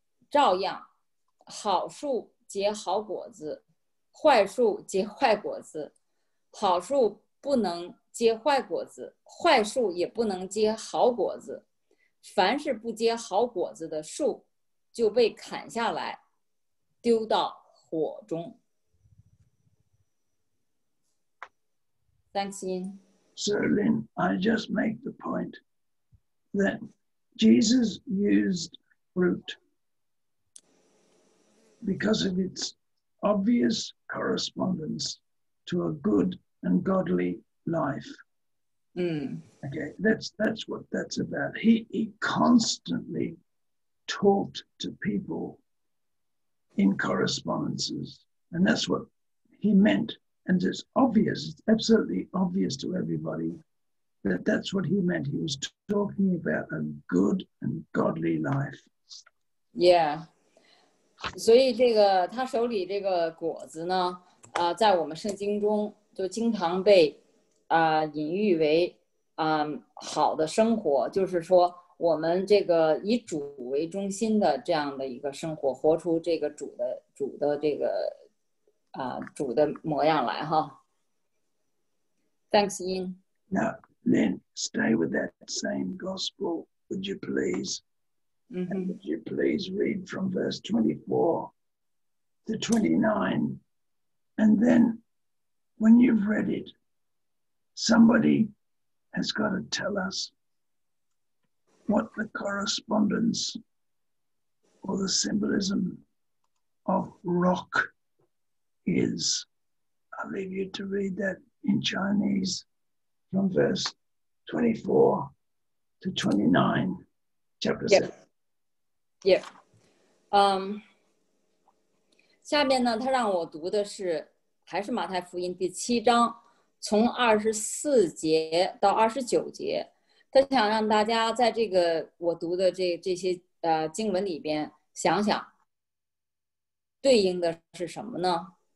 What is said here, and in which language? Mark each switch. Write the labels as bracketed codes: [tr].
[zh] 照样，好树。结好果子，坏树结坏果子，好树不能结坏果子，坏树也不能结好果子。凡是不结好果子的树，就被砍下来，丢到火中。 [en] Thanks, Ian. So, Lynn, I just make the point that Jesus used fruit. Because of its obvious correspondence to a good and godly life. Okay, that's what that's about. He constantly talked to people in correspondences. And that's what he meant. And it's obvious, it's absolutely obvious to everybody that that's what he meant. He was talking about a good and godly life. Yeah. [zh] 所以这个他手里这个果子呢，在我们圣经中就经常被，隐喻为，好的生活，就是说我们这个以主为中心的这样的一个生活，活出这个主的这个，主的模样来哈。 [en] Thanks, Yin. Now, Lynn, stay with that same gospel, would you please?、 Mm-hmm. And would you please read from verse 24 to 29? And then when you've read it, somebody has got to tell us what the correspondence or the symbolism of rock is. I'll leave you to read that in Chinese from verse 24 to 29, chapter 7. Yep. [zh] 下面呢，他让我读的是还是马太福音第七章，从24节到29节，他想让大家在这个我读的这些经文里边想想，对应的是什么呢？